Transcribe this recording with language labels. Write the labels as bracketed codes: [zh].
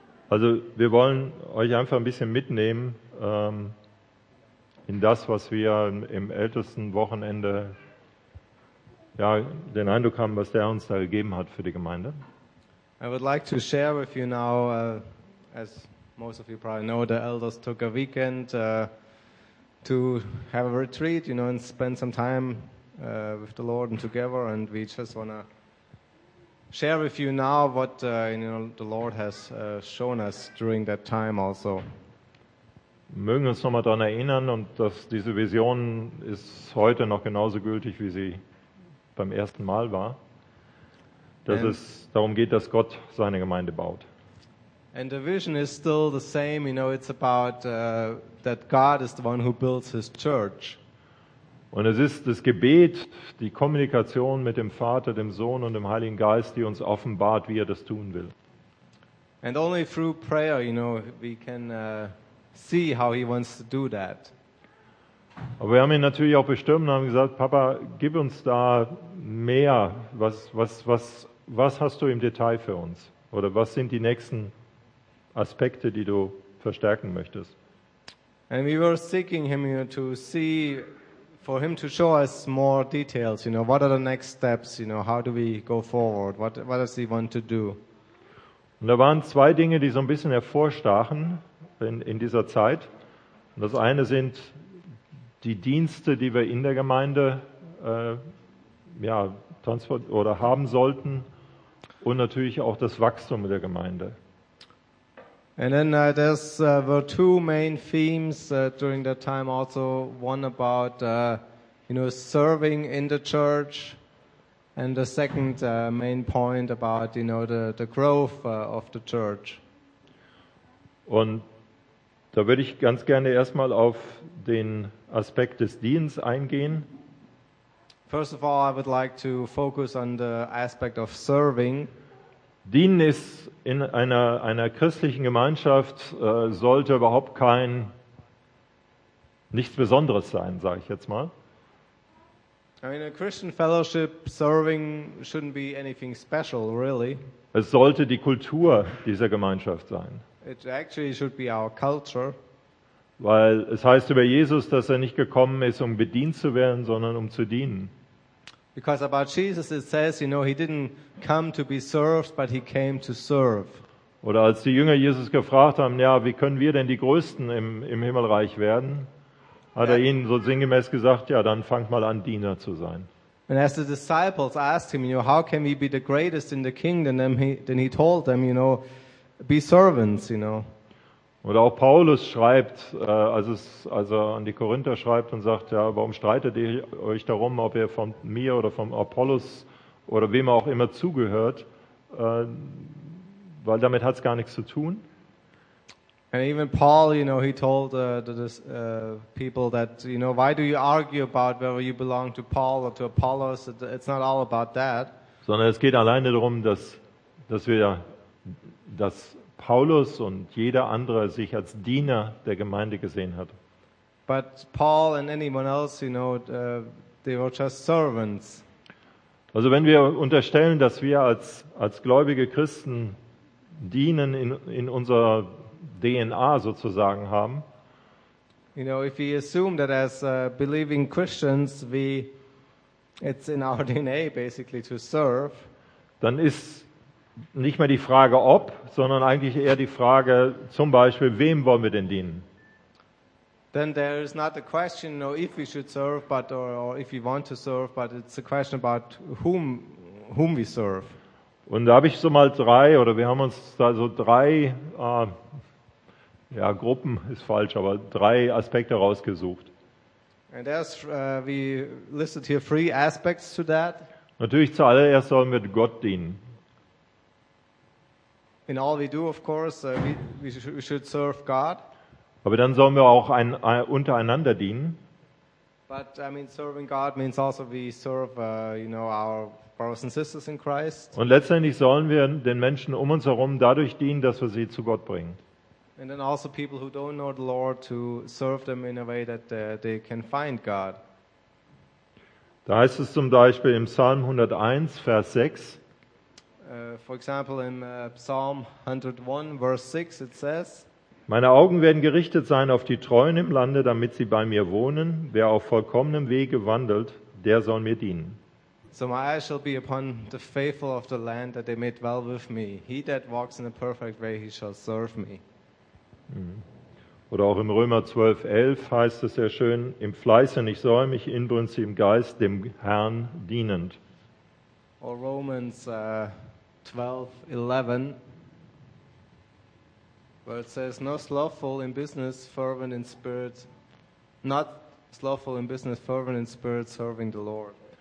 [de] Also wir wollen euch einfach ein bisschen mitnehmen in das, was wir im ältesten Wochenende den Eindruck haben, was der uns da gegeben hat für die Gemeinde. [en] I would like to share with you now, as most of you probably know, the elders took a weekend to have a retreat, you know, and spend some time with the Lord and together, and we just want to share with you now what you know, the Lord has shown us during that time also. [de] Mögen uns nochmal daran erinnern, und dass diese Vision ist heute noch genauso gültig, wie sie beim ersten Mal war, dass es darum geht, dass Gott seine Gemeinde baut. [en] And the vision is still the same, you know, it's about that God is the one who builds his church. [de] Und es ist das Gebet, die Kommunikation mit dem Vater, dem Sohn und dem Heiligen Geist, die uns offenbart, wie er das tun will. [en] And only through prayer, you know, we can see how he wants to do that. [de] Aber wir haben ihn natürlich auch bestürmt und haben gesagt, Papa, gib uns da mehr. Was hast du im Detail für uns? Oder was sind die nächsten Aspekte, die du verstärken möchtest? [en] And we were seeking him, you know, to see, for him to show us more details, you know, what are the next steps, you know, how do we go forward, what does he want to do? [de] Und da waren zwei Dinge, die so ein bisschen hervorstachen in dieser Zeit. Und das eine sind die Dienste, die wir in der Gemeinde haben sollten, und natürlich auch das Wachstum der Gemeinde. [en] And then there were two main themes during that time also. One about you know, serving in the church, and the second main point about, you know, the growth of the church. [de] Und da würde ich ganz gerne erstmal auf den Aspekt des Dienstes eingehen. [en] First of all, I would like to focus on the aspect of serving. [de] Dienen ist in einer christlichen Gemeinschaft sollte überhaupt kein nichts Besonderes sein, sage ich jetzt mal. [en] I mean, a Christian fellowship serving shouldn't be anything special, really. [de] Es sollte die Kultur dieser Gemeinschaft sein. [en] It actually should be our culture. [de] Weil es heißt über Jesus, dass er nicht gekommen ist, um bedient zu werden, sondern um zu dienen. [en] Because about Jesus it says, you know, he didn't come to be served, but he came to serve. [de] Oder als die Jünger Jesus gefragt haben, ja, wie können wir denn die Größten im Himmelreich werden? Hat er ihnen so sinngemäß gesagt, ja, dann fangt mal an, Diener zu sein. [en] And as the disciples asked him, you know, how can we be the greatest in the kingdom? Then he told them, you know, be servants, you know. [de] Oder auch Paulus schreibt, als er an die Korinther schreibt und sagt, ja, warum streitet ihr euch darum, ob ihr von mir oder vom Apollos oder wem auch immer zugehört, weil damit hat es gar nichts zu tun. [en] And even Paul, you know, he told the people that, you know, why do you argue about whether you belong to Paul or to Apollos? It's not all about that. [de] Sondern es geht alleine darum, dass Paulus und jeder andere sich als Diener der Gemeinde gesehen hat. [en] But Paul and anyone else, you know, they were just servants. [de] Also wenn wir unterstellen, dass wir als gläubige Christen dienen in unserer DNA sozusagen haben. [en] You know, if we assume that as believing Christians, it's in our DNA basically to serve. [de] Dann ist nicht mehr die Frage ob, sondern eigentlich eher die Frage zum Beispiel, wem wollen wir denn dienen? [en] Then there is not a question, you know, if we should serve, but or if we want to serve, but it's a question about whom we serve. [de] Und da habe ich so mal drei, oder wir haben uns da so drei Gruppen ist falsch, aber drei Aspekte rausgesucht. [en] And there's we listed here three aspects to that. [de] Natürlich zuallererst sollen wir Gott dienen. [en] In all we do, of course, we should serve God. [de] Aber dann sollen wir auch untereinander dienen. [en] But I mean, serving God means also we serve, you know, our brothers and sisters in Christ. [de] Und letztendlich sollen wir den Menschen um uns herum dadurch dienen, dass wir sie zu Gott bringen. [en] And then also people who don't know the Lord to serve them in a way that they can find God. [de] Da heißt es zum Beispiel im Psalm 101, Vers 6. [en] For example, in Psalm 101, Verse 6, it says, [de] meine Augen werden gerichtet sein auf die Treuen im Lande, damit sie bei mir wohnen. Wer auf vollkommenem Wege wandelt, der soll mir dienen. [en] So my eyes shall be upon the faithful of the land, that they may dwell with me. He that walks in a perfect way, he shall serve me. [de] Oder auch im Römer 12, 11 heißt es sehr schön, im Fleiße nicht säumig, inbrünstig im Geist, dem Herrn dienend. [en] Or Romans 12:11, where it says, not slothful in business, fervent in spirit, not slothful in business, fervent in spirit, serving the Lord.